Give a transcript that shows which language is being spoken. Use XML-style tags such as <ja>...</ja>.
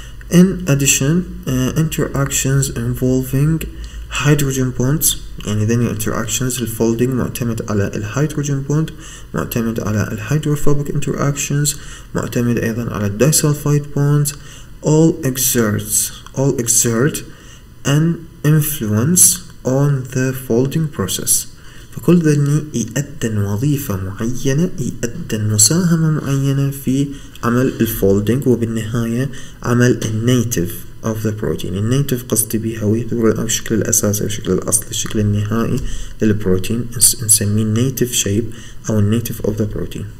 <en>In addition, interactions involving hydrogen bonds.</en> <ar>يعني ذني interactions الفولدينج معتمد على الهيدروجين بوند، معتمد على الهيدروفوبيك interactions، معتمد أيضا على الديسلفايد بوندز.</ar> <en>All exert an influence on the folding process.</en> <ar>فكل ذني يؤدن وظيفة معينة، يؤدن مساهمة معينة في عمل الفولدينج وبالنهاية عمل النيتيف of the protein. النيتيف قصدي بها هو الشكل الأساسي أو الشكل الأصلي، الشكل النهائي للبروتين نسميه النيتيف شيب أو النيتيف of the protein.</ar>